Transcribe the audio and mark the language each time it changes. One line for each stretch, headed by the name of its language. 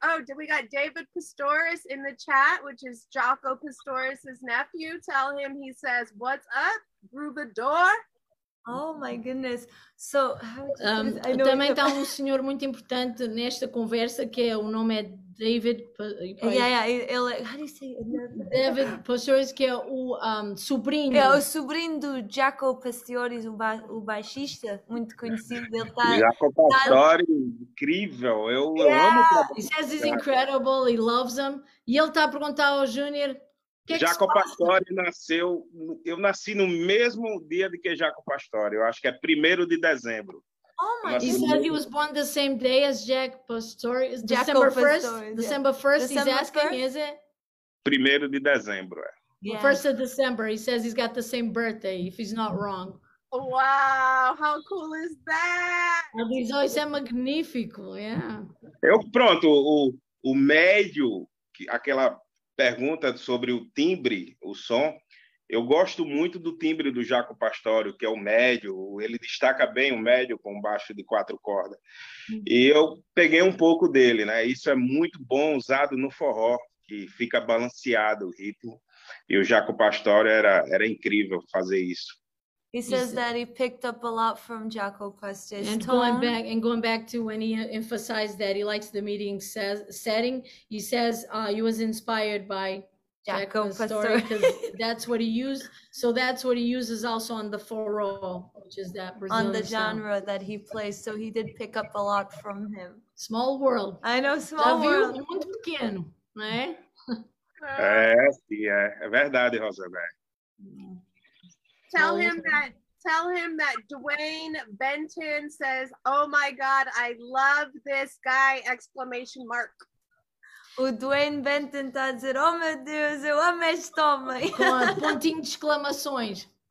English: Oh, we got David Pastoris in the chat, which is Jocko Pastoris's nephew. Tell him, he says, what's up, Groovador? Oh my goodness. So, I know
Portuguese: também está um senhor muito importante nesta conversa, que o nome é David. David Pastoris, que é o sobrinho. É o sobrinho do Jaco Pastoris, o baixista, muito conhecido. Ele tá, Jaco Pastoris, incrível. Eu amo. He says he's incredible, he loves him. E ele está a perguntar ao Júnior. Jaco Pastore nasceu, eu nasci no mesmo dia de que Jaco Pastore, eu acho que é 1º de dezembro.
English: Oh my God. He said he was born the same day as Jack Pastore, December 1st? December 1st, yeah. December 1st, December he's asking, 1st? Is it?
Portuguese: 1º de dezembro,
English: yeah. 1st of December, he says he's got the same birthday, if he's not wrong. Wow, how cool is that?
Portuguese: Isso é magnífico, yeah. Eu, pronto, o médio, aquela... pergunta sobre o timbre, o som. Eu gosto muito do timbre do Jaco Pastório, que é o médio. Ele destaca bem o médio com baixo de 4 cordas. E eu peguei um pouco dele, né? Isso é muito bom usado no forró, que fica balanceado o ritmo. E o Jaco Pastório era incrível fazer isso.
English: He says that he picked up a lot from Jaco Pastore. And going back to when he emphasized that he likes the meeting setting, he says he was inspired by Jaco Pastore, because that's what he used. So that's what he uses also on the foro, which is that Brazilian on the genre that he plays. So he did pick up a lot from him. Small world. I know, small world.
Portuguese: Já viu? Muito pequeno, né? É verdade, Rosenberg.
English: Tell him that Dwayne Benton says, oh my God, I love this guy, exclamation mark.
Portuguese: O Dwayne Benton está a dizer, oh meu Deus, eu amo este homem. Pontinho de exclamações.